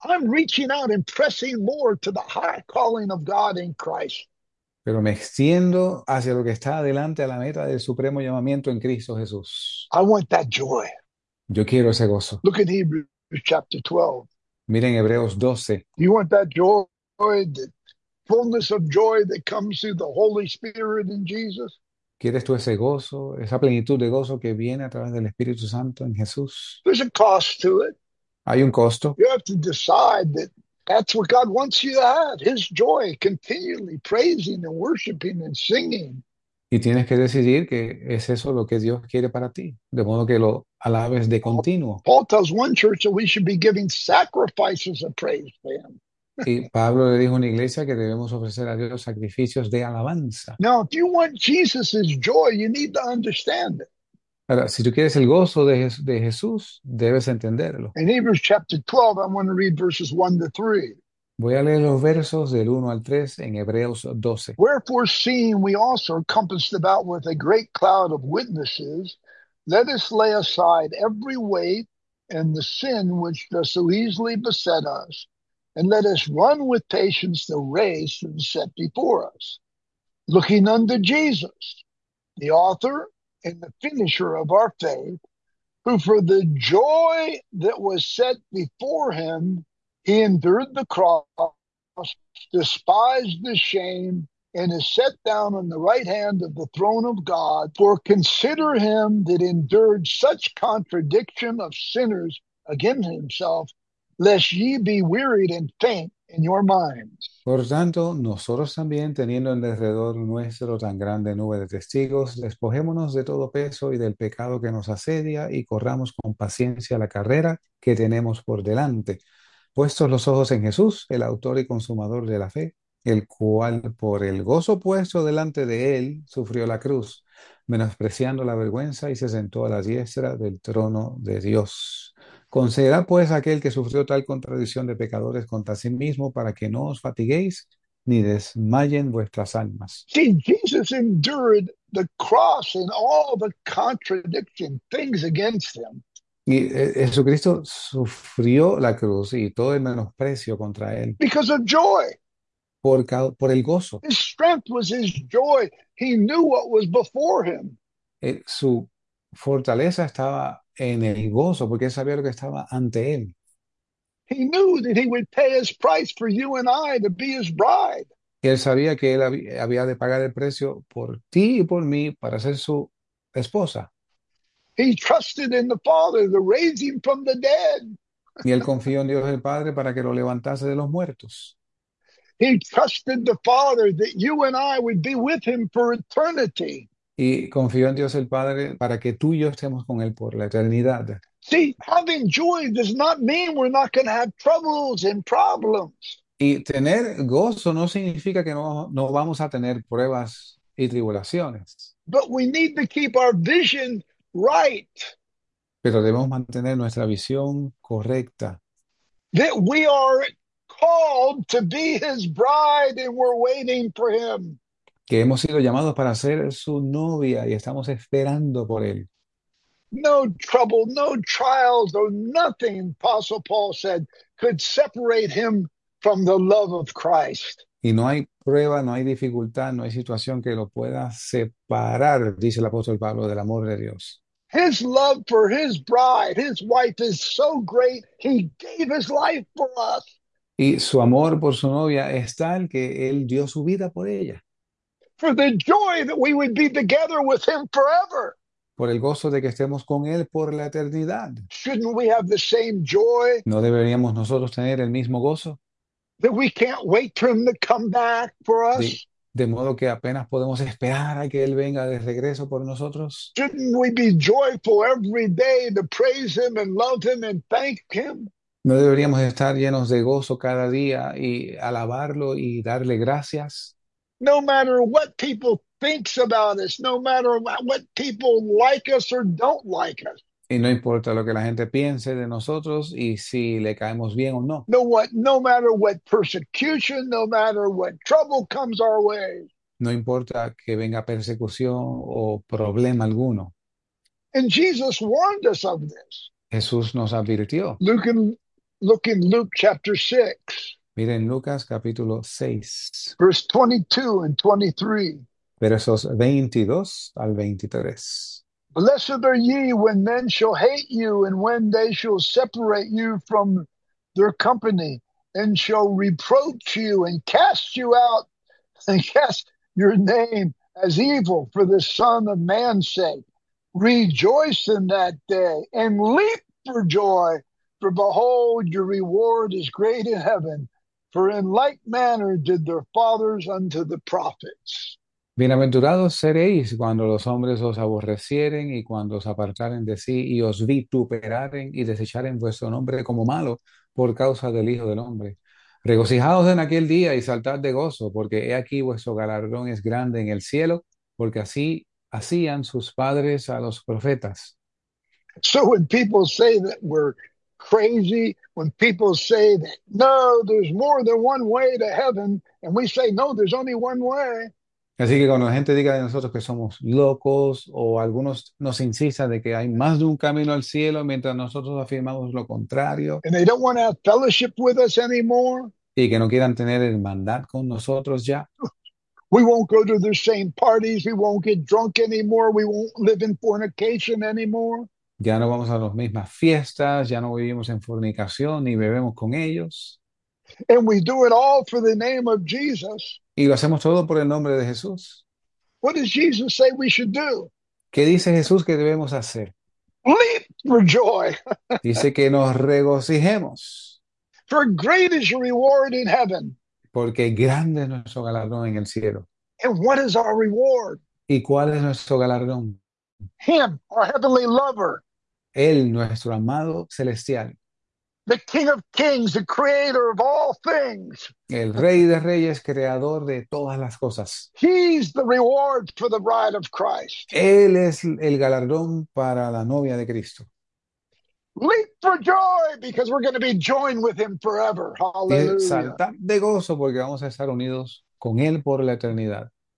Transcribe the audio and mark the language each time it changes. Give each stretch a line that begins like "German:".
English: I'm reaching out and pressing more to the high calling of God in Christ.
Spanish: Pero me extiendo hacia lo que está adelante a la meta del supremo llamamiento en Cristo Jesús.
English: I want that joy.
Spanish: Yo quiero ese gozo.
English: Look at Hebrews chapter 12.
Spanish: Miren Hebreos 12.
English: You want that joy, the fullness of joy that comes through the Holy Spirit in Jesus?
Spanish: ¿Quieres tú ese gozo, esa plenitud de gozo que viene a través del Espíritu Santo en Jesús?
English: There's a cost to it.
Spanish: ¿Hay un costo?
English: You have to decide that that's what God wants you to have, his joy, continually praising and worshiping and singing.
Spanish: Y tienes que decidir que es eso lo que Dios quiere para ti, de modo que lo alabes de continuo.
English: Paul tells one church that we should be giving sacrifices of praise to
Spanish: Pablo le dijo a una iglesia que debemos ofrecer a Dios sacrificios de alabanza.
English: Now, if you want Jesus's joy, you need to understand it.
Spanish: Ahora, si tú quieres el gozo de Jesús, debes entenderlo.
English: In Hebrews chapter 12, I want to read verses 1 to 3.
Spanish: Voy a leer los versos del 1 al 3 en Hebreos 12.
English: Wherefore, seeing we also are compassed about with a great cloud of witnesses, let us lay aside every weight and the sin which does so easily beset us, and let us run with patience the race that is set before us, looking unto Jesus, the author and the finisher of our faith, who for the joy that was set before him, he endured the cross, despised the shame, and is set down on the right hand of the throne of God. For consider him that endured such contradiction of sinners against himself, lest ye be wearied and faint in your minds.
Spanish: Por tanto, nosotros también, teniendo en derredor nuestro tan grande nube de testigos, despojémonos de todo peso y del pecado que nos asedia y corramos con paciencia la carrera que tenemos por delante, puestos los ojos en Jesús, el autor y consumador de la fe, el cual por el gozo puesto delante de él sufrió la cruz, menospreciando la vergüenza y se sentó a la diestra del trono de Dios. Considerad pues aquel que sufrió tal contradicción de pecadores contra sí mismo para que no os fatiguéis ni desmayen vuestras almas.
English: See, Jesus endured the cross and all the contradicting things against him.
Spanish: Y Jesucristo sufrió la cruz y todo el menosprecio contra él
English: Because of joy.
Spanish: por el gozo.
English: His strength was his joy. He knew what was before him.
Spanish: Su fortaleza estaba en el gozo, porque él sabía lo que estaba ante él.
English: He knew that he would pay his price for you and I to be his bride.
Spanish: Él sabía que él había de pagar el precio por ti y por mí para ser su esposa.
English: He trusted in the Father to raise him from the
Spanish: Y él
English: dead.
Spanish: confió en Dios el Padre para que lo levantase de los muertos.
English: He trusted the Father that you and I would be with him for eternity.
Spanish: Y confío en Dios el Padre para que tú y yo estemos con Él por la eternidad.
English: See, having joy does not mean we're not going to have troubles and problems.
Spanish: Y tener gozo no significa que no vamos a tener pruebas y tribulaciones.
English: But we need to keep our vision. Right.
Spanish: Pero debemos mantener nuestra visión correcta.
English: That we are called to be his bride and we're waiting for him.
Spanish: Que hemos sido llamados para ser su novia y estamos esperando por él.
English: No trouble, no trials, or nothing, Apostle Paul said, could separate him from the love of Christ.
Spanish: Y no hay prueba, no hay dificultad, no hay situación que lo pueda separar, dice el apóstol Pablo, del amor de Dios.
English: His love for his bride, his wife, is so great, he gave his life for us.
Spanish: Y su amor por su novia es tal que él dio su vida por ella.
English: For the joy that we would be together with him forever.
Spanish: Por el gozo de que estemos con Él por la eternidad.
English: Shouldn't we have the same joy
Spanish: ¿No deberíamos nosotros tener el mismo gozo?
English: that we can't wait for him to come back for us?
Spanish: De modo que apenas podemos esperar a que Él venga de regreso por nosotros.
English: Shouldn't we be joyful every day to praise him and love him and thank him?
Spanish: ¿No deberíamos estar llenos de gozo cada día y alabarlo y darle gracias?
English: No matter what people thinks about us, no matter what people like us or don't like us.
Spanish: Y no importa lo que la gente piense de nosotros y si le caemos bien o no.
English: No matter what persecution, no matter what trouble comes our way.
Spanish: No importa que venga persecución o problema alguno.
English: And Jesus warned us of this.
Spanish: Jesús nos advirtió.
English: Look in Luke chapter 6,
Spanish: Miren Lucas capítulo 6,
English: verse 22 and 23.
Spanish: versos 22 al 23.
English: Blessed are ye when men shall hate you, and when they shall separate you from their company, and shall reproach you, and cast you out, and cast your name as evil for the Son of Man's sake. Rejoice in that day and leap for joy, for behold, your reward is great in heaven. For in like manner did their fathers unto the prophets.
Spanish: Bienaventurados seréis cuando los hombres os aborrecieren y cuando os apartaren de sí y os vituperaren y desecharen vuestro nombre como malo por causa del Hijo del Hombre. Regocijaos en aquel día y saltad de gozo, porque he aquí vuestro galardón es grande en el cielo, porque así hacían sus padres a los profetas.
English: So when people say that we're crazy, when people say that no, there's more than one way to heaven, and we say no, there's only one way.
Spanish: Así que cuando la gente diga de nosotros que somos locos o algunos nos insistan de que hay más de un camino al cielo mientras nosotros afirmamos lo contrario
English: And they don't want to have fellowship with us anymore.
Spanish: y que no quieran tener hermandad con nosotros ya,
English: We won't go to the same parties. We won't get drunk anymore. We won't live in fornication anymore.
Spanish: ya no vamos a las mismas fiestas, ya no vivimos en fornicación ni bebemos con ellos.
English: And we do it all for the name of Jesus.
Spanish: Y lo hacemos todo por el nombre de Jesús.
English: What does Jesus say we should do?
Spanish: ¿Qué dice Jesús que debemos hacer?
English: Leap for joy.
Spanish: Dice que nos regocijemos.
English: For great is your reward in heaven.
Spanish: Porque grande es nuestro galardón en el cielo.
English: And what is our reward?
Spanish: ¿Y cuál es nuestro galardón?
English: Him, our heavenly lover.
Spanish: Él, nuestro amado celestial.
English: The King of Kings, the creator of all things.
Spanish: El Rey de Reyes, creador de todas las cosas.
English: He's the reward for the bride of Christ.
Spanish: Él es el galardón para la novia de Cristo.
English: Leap for joy because we're going to be joined with him forever.
Spanish: Y
English: Hallelujah.
Spanish: saltar de gozo porque vamos a estar unidos con Él por la eternidad.